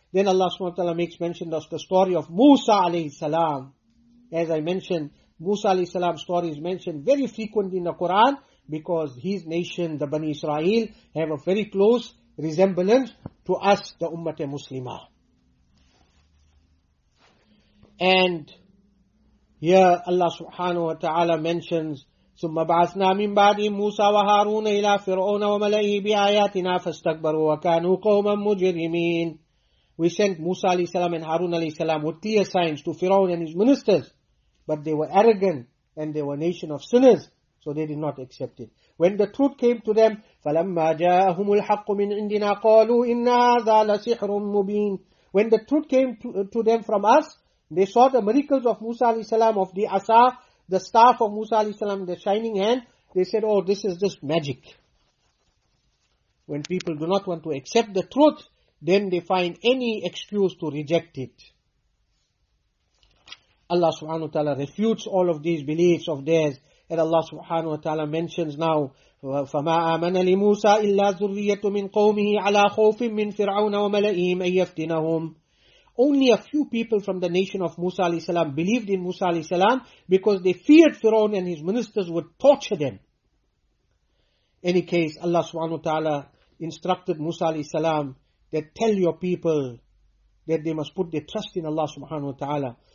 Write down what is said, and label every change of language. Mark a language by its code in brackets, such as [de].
[en] Then Allah subhanahu wa ta'ala makes mention of the story of Musa alayhi salam. As I mentioned, Musa alayhi salam's story is mentioned very frequently in the Quran, because his nation, the Bani Israel, have a very close resemblance to us, the Ummah Muslimah. And here Allah subhanahu wa ta'ala mentions, [ar] ثُمَّ بَعَثْنَا مِنْ بَعْدِهِمْ مُوسَى وَهَارُونَ إِلَى فِرْعَوْنَ وَمَلَئِهِ بِآيَاتِنَا فَاسْتَكْبَرُوا وَكَانُوا قَوْمًا مُجْرِمِينَ. [en] We sent Musa alayhi salam and Harun alayhi salam with clear signs to Firaun and his ministers, but they were arrogant and they were a nation of sinners, so they did not accept it. When the truth came to them, [ar] فَلَمَّا جَاءَهُمُ الْحَقُّ مِنْ عِنْدِنَا قَالُوا إِنَّ هَذَا لَسِحْرٌ مُبِينٌ. [en] When the truth came to them from us, they saw the miracles of Musa alayhi salam, of the asa, the staff of Musa alayhi salam, the shining hand. They said, oh, this is just magic. When people do not want to accept the truth, then they find any excuse to reject it. Allah subhanahu wa ta'ala refutes all of these beliefs of theirs. And Allah subhanahu wa ta'ala mentions now, [ar] فَمَا آمَنَ لِمُوسَىٰ إِلَّا ذُرِّيَّةٌ مِّنْ قَوْمِهِ عَلَىٰ خَوْفٍ مِّنْ فِرْعَوْنَ وَمَلَئِهِمْ أَن يَفْتِنَهُمْ. [en] Only a few people from the nation of Musa alayhi salam believed in Musa alayhi salam, because they feared Firaun and his ministers would torture them. Any case, Allah subhanahu wa ta'ala instructed Musa alayhi salam that tell your people that they must put their trust in Allah subhanahu wa ta'ala.